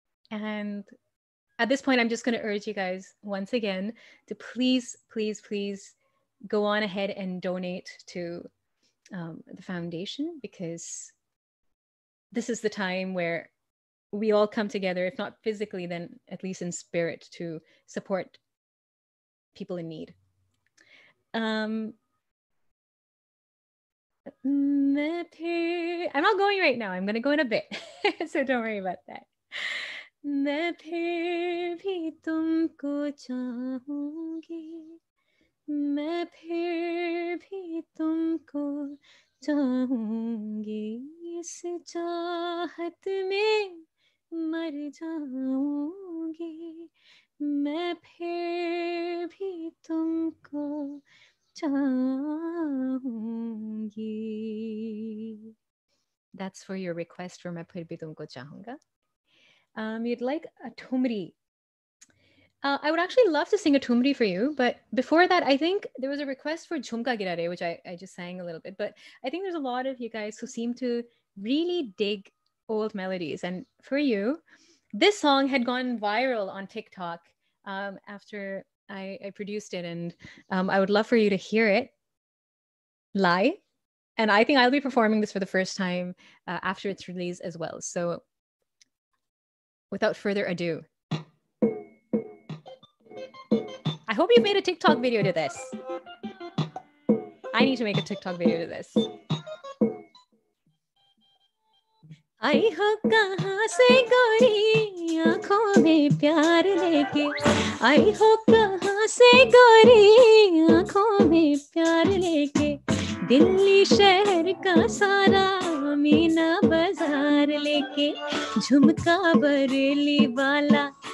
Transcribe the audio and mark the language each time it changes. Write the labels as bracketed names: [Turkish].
[English] And at this point, I'm just going to urge you guys once again to please, please, please go on ahead and donate to the foundation, because this is the time where we all come together, if not physically, then at least in spirit, to support people in need. I'm not going right now. I'm going to go in a bit. So don't worry about that. [Hindi] मैं फिर भी तुमको चाहूंगी मैं फिर भी तुमको चाहूंगी इस चाहत में मर जाऊंगी मैं फिर भी तुमको चाहूंगी. [English] That's for your request for [Hindi] मैं फिर भी तुमको चाहूंगा. [English] You'd like a tumri. I would actually love to sing a tumri for you. But before that, I think there was a request for Jhumka Girare, which I just sang a little bit. But I think there's a lot of you guys who seem to really dig old melodies. And for you, this song had gone viral on TikTok after I produced it. And I would love for you to hear it live. And I think I'll be performing this for the first time after its release as well. So without further ado, I hope you've made a TikTok video to this. I need to make a TikTok video to this. [Hindi] I ho kahan se gori aankhon mein pyar leke I ho kahan se gori aankhon mein pyar leke Delhi शहर का सारा मीना बाजार लेके झुमका बरेली वाला